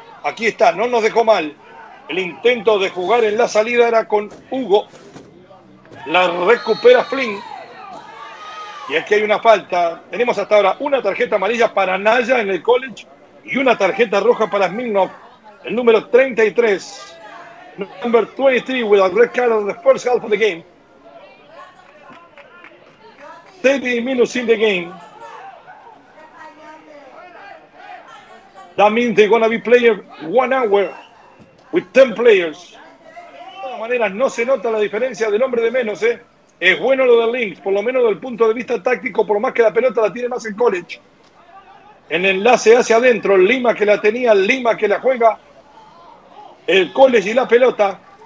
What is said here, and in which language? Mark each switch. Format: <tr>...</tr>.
<es>Aquí está, no nos dejó mal. El intento de jugar en la salida era con Hugo. La recupera Flynn. Y aquí hay una falta. Tenemos hasta ahora una tarjeta amarilla para Naya en el College y una tarjeta roja para Smirnov. El número 33.</es> <en>Number 23 with a red card in the first half of the game. 30 minutes in the game. That means they're going to be playing 1 hour with 10 players.</en> <es>De todas maneras, no se nota la diferencia del hombre de menos, ¿eh? Es bueno lo del Lynx, por lo menos desde el punto de vista táctico, por más que la pelota la tiene más el College. El enlace hacia adentro, Lima que la tenía, Lima que la juega. El College y la pelota.</es>